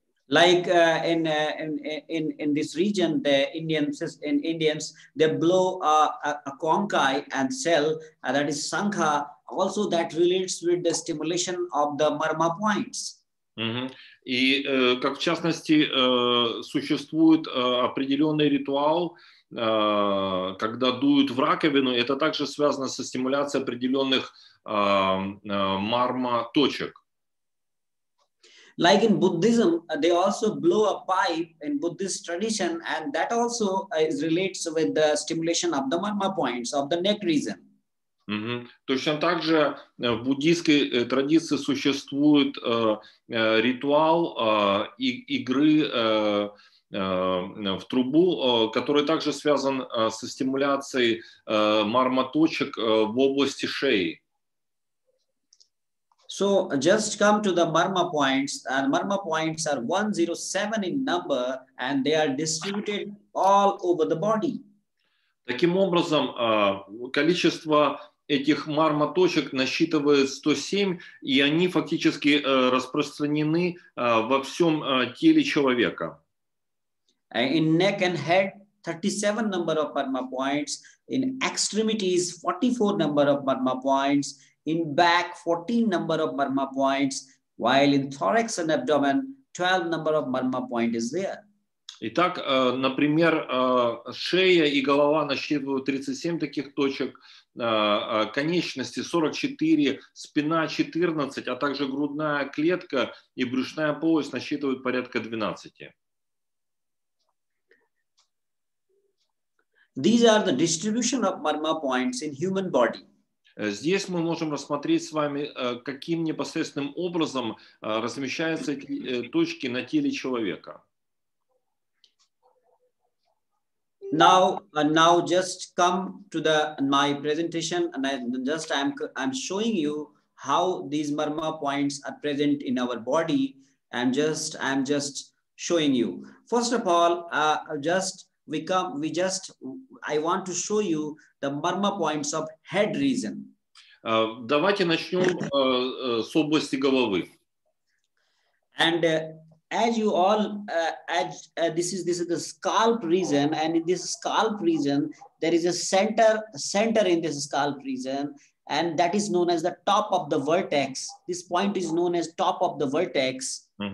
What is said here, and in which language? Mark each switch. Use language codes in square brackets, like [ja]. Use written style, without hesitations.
[en] Like in this region, the Indians they blow a conchai and shell, that is sankha, also that relates with the stimulation of the marma points. Mm-hmm. [ru] И как в частности существует определенный ритуал, когда дуют в раковину, это также связано со стимуляцией определенных марма точек. [en] Like in Buddhism, they also blow a pipe in Buddhist tradition, and that also is relates with the stimulation of the marma points of the neck region. Угу. [ru] Точно так же в буддийской традиции существует ритуал игры в трубу, который также связан со стимуляцией марма-точек в области шеи. [en] So, just come to the marma points, and marma points are 107 in number, and they are distributed all over the body. [ru] Таким образом, количество этих марма-точек насчитывает 107, и они фактически распространены во всем теле человека. [en] In neck and head, 37 number of marma points. In extremities, 44 number of marma points. In back, 14 number of marma points. While in thorax and abdomen, 12 number of marma point is there. [ru] Итак, например, шея и голова насчитывают 37 таких точек, конечности 44, спина 14, а также грудная клетка и брюшная полость насчитывают порядка 12. [en] These are the distribution of marma points in human body. [ru] Здесь мы можем рассмотреть с вами, каким непосредственным образом размещаются эти точки на теле человека. [en] Now just come to the my presentation, and I'm showing you how these marma points are present in our body. I'm just showing you. First of all, I want to show you the marma points of head region. [ru] Давайте начнем с области головы. [en] And this is the scalp region, and in this scalp region there is a center in this scalp region, and that is known as the top of the vertex. This point is known as top of the vertex.